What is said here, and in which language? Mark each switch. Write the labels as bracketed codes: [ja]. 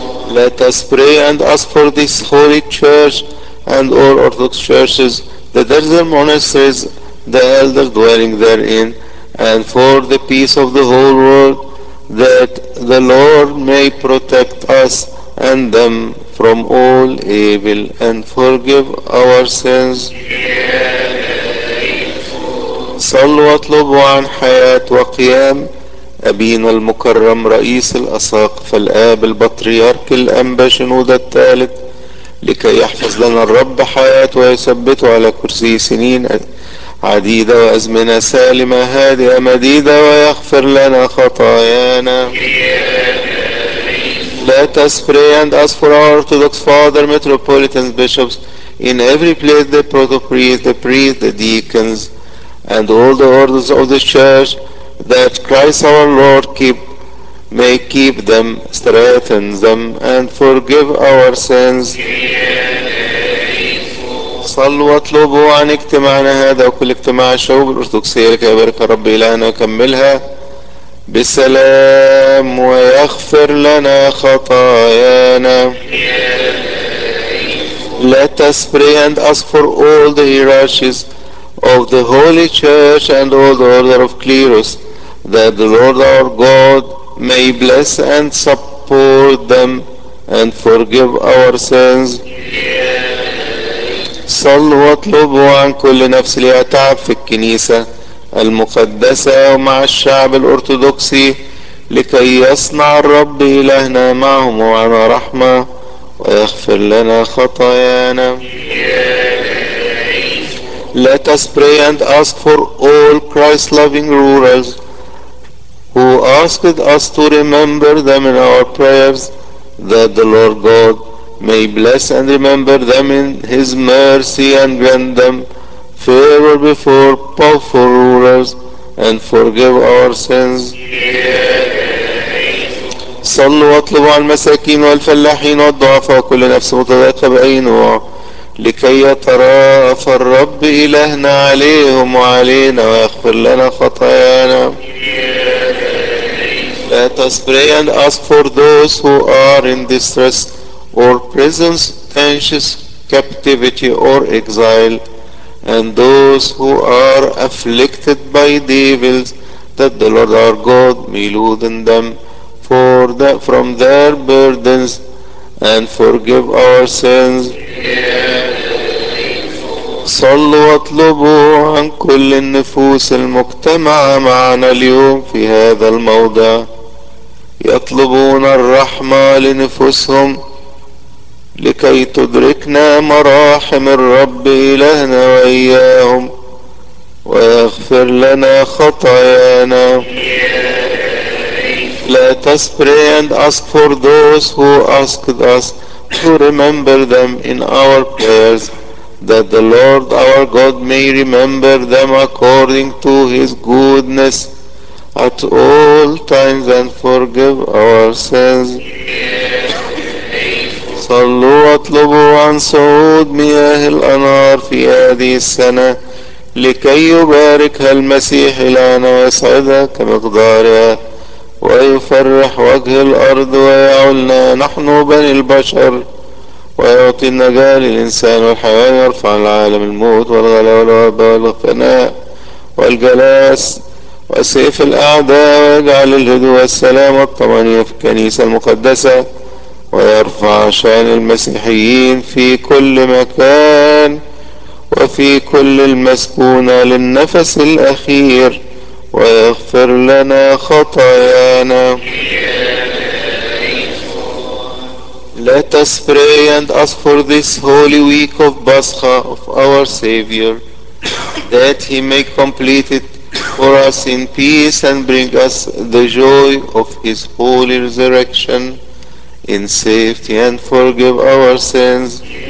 [en] Let us pray and ask for this holy church and all Orthodox churches, the desert monasteries, the elders dwelling therein, and for the peace of the whole world, that the Lord may protect us and them from all evil and forgive our sins. [ar] صلوا واطلبوا عن حياة وقيام أبينا المكرم رئيس الأساقفة الآب البطريرك الأنبا شنودة الثالث لكي يحفظ لنا الرب حياة ويثبته على كرسي سنين عديدة وأزمنة سالمة هادئة مديدة ويغفر لنا خطايانا. [en] Let us pray and ask for our Orthodox Father, Metropolitans, Bishops, in every place the Protopriest, the Priest, the Deacons, and all the orders of the Church, that Christ our Lord may keep them, strengthen them, and forgive our sins. [ar] صلوا واطلبوا عن اجتماعنا هذا وكل اجتماع الشعوب الأرثوذكسية لكي يبارك الرب إلهنا ويكملها بسلام ويغفر لنا خطايانا. [en] Let us pray and ask for all the hierarchies of the Holy Church and all the order of clerus, that the Lord our God may bless and support them and forgive our sins. [ar] صلوا واطلبوا عن كل نفس لها تعب في الكنيسة المقدسة ومع الشعب الأرثوذكسي لكي يصنع الرب إلهنا معهم وعن رحمة ويغفر لنا خطايانا. [en] Let us pray and ask for all Christ-loving rulers who asked us to remember them in our prayers, that the Lord God may bless and remember them in His mercy and grant them favor before powerful rulers and forgive our sins. [ar] صلوا واطلبوا عن المساكين والفلاحين والضعفاء وكل نفس متضايقة بأي نوع لكي يتراءف الرب إلهنا عليهم وعلينا ويغفر لنا خطايانا. [en] Let us pray and ask for those who are in distress or prisons, anxious captivity or exile, and those who are afflicted by devils, that the Lord our God may loosen them from their burdens and forgive our sins. [ar] صلوا واطلبوا عن كل النفوس المجتمعة معنا اليوم في هذا الموضع يطلبون الرحمة لنفوسهم لكي تدركنا مراحم الرب إلهنا وإياهم ويغفر لنا خطايانا. [en] Let us pray and ask for those who asked us to remember them in our prayers, that the Lord our God may remember them according to His goodness at all times and forgive our sins. [ar] صلوا واطلبوا عن صعود مياه الأنهار في هذه السنة لكي يباركها المسيح لنا ويسعدها كمقدارها ويفرح وجه الأرض ويعلنا نحن بني البشر ويعطي النجاة للإنسان والحيوان ويرفع العالم الموت والغلا والوباء والفناء والجلاس وسيف الأعداء ويجعل الهدوء والسلام والطمأنينة في الكنيسة المقدسة ويرفع شأن المسيحيين في كل مكان وفي كل المسكونة للنفس الأخير، واغفر لنا خطايانا. [en] Let us pray and ask for this holy week of Pascha of our Savior, that He may complete it for us in peace and bring us the joy of His holy resurrection in safety, and forgive our sins.